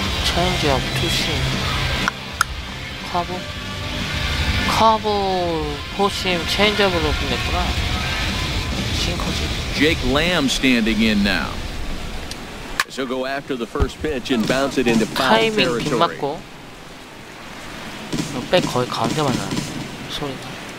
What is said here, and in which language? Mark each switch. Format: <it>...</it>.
<ko>체인지업, 투심, 커브, 커브, 포심, 체인지업으로 끝냈구나. 싱커지.</ko> <en>Jake Lamb standing in now. So go after the first pitch and bounce it into foul territory.</en> <ko>타이밍 빗맞고 백 거의 가운데 맞아 소리가.</ko>